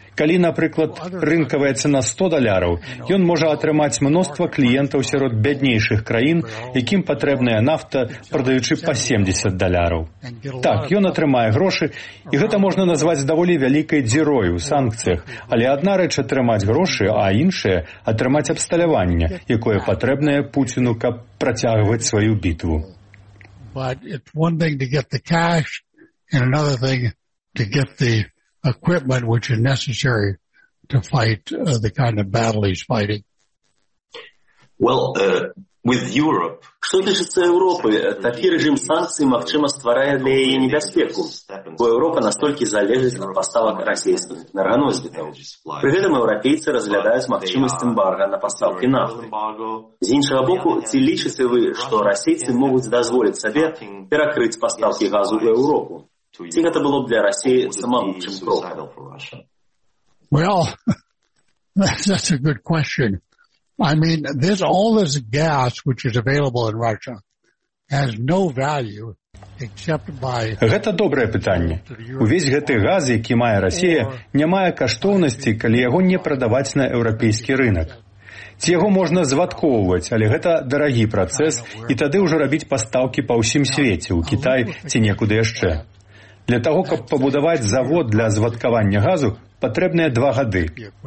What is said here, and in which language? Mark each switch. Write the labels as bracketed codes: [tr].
[be] Калі, напрыклад, рынкавая цана 100 даляраў, ён можа атрымаць мноства кліентаў сярод бяднейшых краін, якім патрэбная нафта, прадаючы па 70 даляраў. Так, ён атрымае грошы, і гэта можна назваць даволі вялікай дзірой у санкцыях, але адна рэч атрымаць грошы, а іншая атрымаць абсталяванне, якое патрэбнае Пуціну, каб працягваць сваю бітву. [en] But it's one thing to get the cash, and another thing to get the equipment, which is necessary to fight the kind of battle he's fighting. Well, with Europe... [uk] Що тичиться Європи, такий режим санкцій, магчимо, створює для її небезпеку, бо Європа настільки залежить від поставок російських енергоносіїв. При цьому європейці розглядають можливість ембарго на поставки нафти. З іншого боку, чи лічите ви, що російці можуть дозволити собі перекрити поставки газу в Європу? Чи це було б для Росії самим кроком? [en] Well, that's a good question. I mean, this all this gas which is available in Russia has no value except by. [be] Гэта добрае пытанне. Увесь гэты газ, які мае Расія, не мае каштоўнасці, калі яго не прадаваць на еўрапейскі рынак. Ці яго можна звадкоўваць, але гэта дарагі працэс, і тады ўжо рабіць пастаўкі па ўсім свеце, у Кітай ці некуды яшчэ. Для того, каб пабудаваць завод для звадкавання газу, патрэбныя 2 гады.